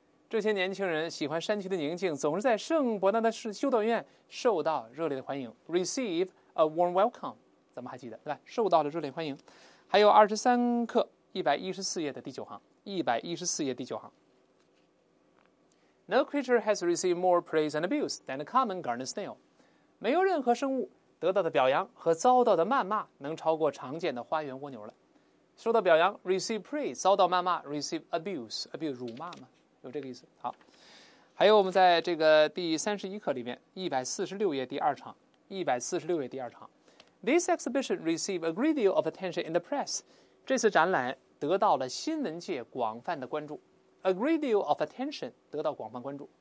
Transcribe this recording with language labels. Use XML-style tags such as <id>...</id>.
<zh>这些年轻人喜欢山区的宁静，总是在圣伯纳的修道院受到热烈的欢迎 ，</zh> <en>receive a warm welcome。</en> <zh>咱们还记得对吧？受到了热烈欢迎。还有23课114页的第9行，114页第9行。</zh> <en>No creature has received more praise and abuse than a common garden snail.</en> <zh>没有任何生物得到的表扬和遭到的谩骂能超过常见的花园蜗牛了。受到表扬</zh> <en>receive praise，</en> <zh>遭到谩骂</zh> <en>receive abuse，</en> <zh>abuse 辱骂嘛，有这个意思。好，还有我们在这个第31课里面146页第二场，146页第二场，</zh> <en>This exhibition received a great deal of attention in the press，</en> <zh>这次展览得到了新闻界广泛的关注，</zh> <en>a great deal of attention</en> <zh>得到广泛关注。</zh>